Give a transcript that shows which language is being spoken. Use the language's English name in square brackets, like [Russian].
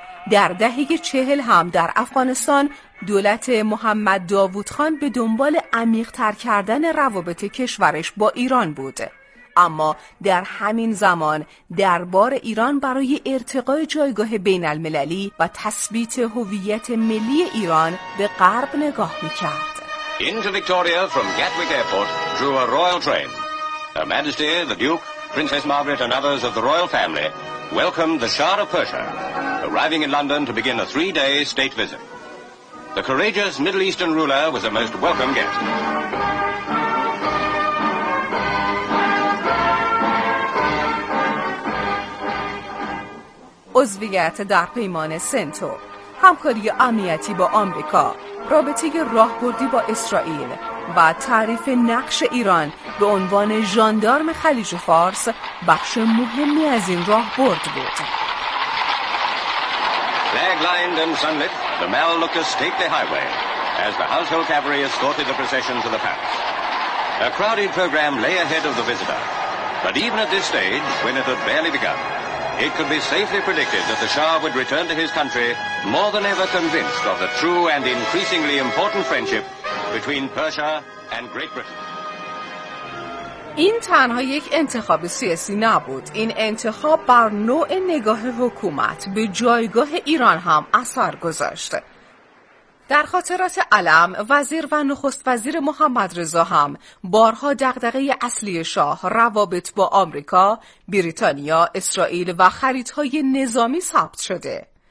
[Persian] در دهه 40 هم در افغانستان دولت محمد داوود خان به دنبال عمیق‌تر کردن روابط کشورش با ایران بود، اما در همین زمان دربار ایران برای ارتقای جایگاه بین المللی و تثبیت هویت ملی ایران به غرب نگاه می‌کرد. [English] Into Victoria from Gatwick Airport drew a royal train. Her Majesty the Duke, Princess Margaret and others of the royal family welcomed the Shah of Persia, arriving in London to begin a 3-day state visit. The courageous Middle Eastern ruler was a most welcome guest. [Persian] عضویت در پیمان سنتو، همکاری امنیتی با آمریکا، رابطه راهبردی با اسرائیل و تعریف نقش ایران به عنوان ژاندارم خلیج فارس بخش مهمی از این راهبرد بود. [English] Flag lined and sunlit, the Malukas stately highway as the household cavalry escorted the procession to the palace. A crowded program lay ahead of the visitor, but even at this stage, when it had barely begun, it could be safely predicted that the Shah would return to his country more than ever convinced of the true and increasingly important friendship between Persia and Great Britain. [Persian] این تنها یک انتخاب سیاسی نبود. این انتخاب بر نوع نگاه حکومت به جایگاه ایران هم اثر گذاشت. در خاطرات علم، وزیر و نخست وزیر محمد رضا هم بارها دغدغه اصلی شاه روابط با آمریکا، بریتانیا، اسرائیل و خریدهای نظامی ثبت شده.